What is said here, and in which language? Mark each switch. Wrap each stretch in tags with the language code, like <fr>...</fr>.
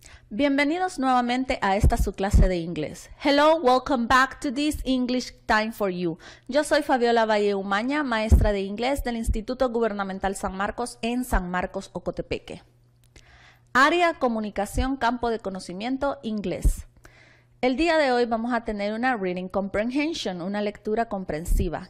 <es>Bienvenidos nuevamente a esta su clase de inglés.</es> <en>Hello, welcome back to this English time for you.</en> <es>Yo soy Fabiola Valle Umaña, maestra de inglés del Instituto Gubernamental San Marcos en San Marcos, Ocotepeque. Área comunicación, campo de conocimiento, inglés. El día de hoy vamos a tener una reading comprehension, una lectura comprensiva.</es>